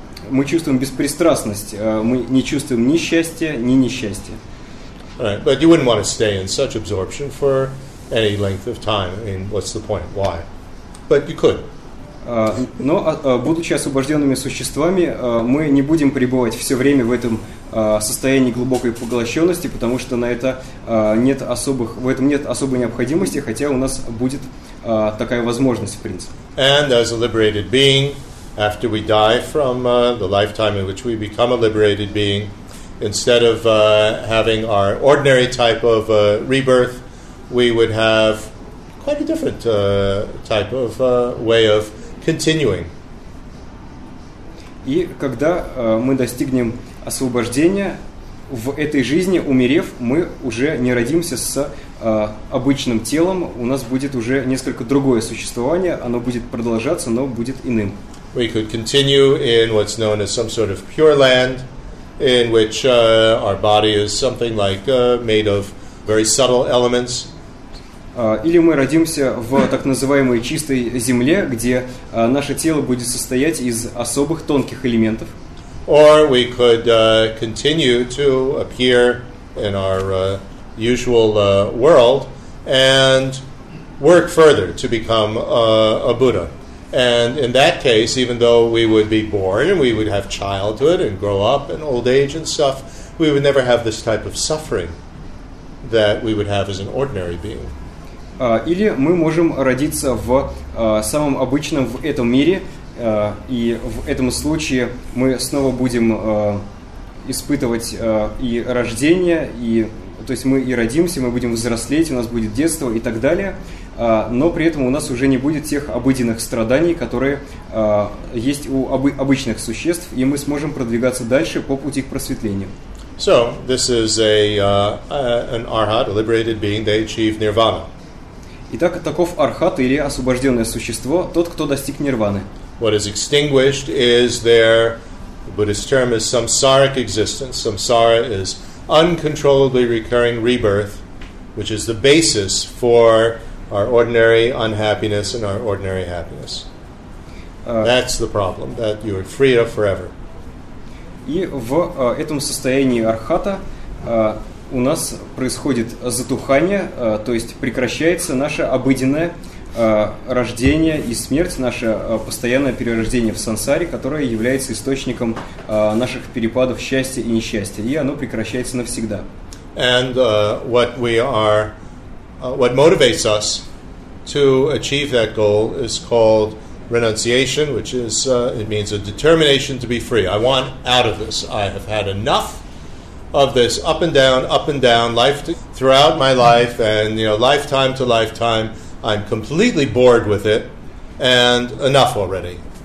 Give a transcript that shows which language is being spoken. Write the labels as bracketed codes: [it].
[ru] мы чувствуем беспристрастность, мы не чувствуем ни счастья, ни несчастья. [en] Right, but you wouldn't want to stay in such absorption for any length of time. I mean, what's the point? Why? But you could. [ru] Но, будучи освобожденными существами, мы не будем пребывать все время в этом состоянии глубокой поглощенности, потому что на это нет особых, в этом нет особой необходимости, хотя у нас будет такая возможность, в принципе. [en] And as a liberated being, after we die from the lifetime in which we become a liberated being, instead of having our ordinary type of rebirth, we would have quite a different type of way of continuing. [ru] И когда мы достигнем освобождения в этой жизни, умерев, мы уже не родимся с обычным телом, у нас будет уже несколько другое существование, оно будет продолжаться, но будет иным. [en] We could continue in what's known as some sort of pure land, in which our body is something like made of very subtle elements. [ru] Или мы родимся в так называемой чистой земле, где наше тело будет состоять из особых тонких элементов. [en] Or we could continue to appear in our usual world and work further to become a Buddha. And in that case, even though we would be born and we would have childhood and grow up and old age and stuff, we would never have this type of suffering that we would have as an ordinary being. [ru] Или мы можем родиться в самом обычном в этом мире, и в этом случае мы снова будем испытывать и рождение, и то есть мы и родимся, мы будем взрослеть, у нас будет детство и так далее. Но при этом у нас уже не будет тех обыденных страданий, которые есть у обычных существ, и мы сможем продвигаться дальше по пути к просветлению. [en] So, this is an arhat, a liberated being, they achieve nirvana. [ru] Итак, таков архат или освобожденное существо, тот, кто достиг нирваны. [en] What is extinguished is their, the Buddhist term is samsaric existence. Samsara is uncontrollably recurring rebirth, which is the basis for our ordinary unhappiness and our ordinary happiness. That's the problem, that you are free of forever. [ru] И в этом состоянии архата у нас происходит затухание, то есть прекращается наше обыденное рождение и смерть, наше постоянное перерождение в сансаре, которое является источником наших перепадов счастья и несчастья. И оно прекращается навсегда. [en] And what we are... what motivates us to achieve that goal is called renunciation, which is it means a determination to be free. I want out of this. I have had enough of this up and down, life throughout my life, and you know, lifetime to lifetime, I'm completely bored with it, and enough already.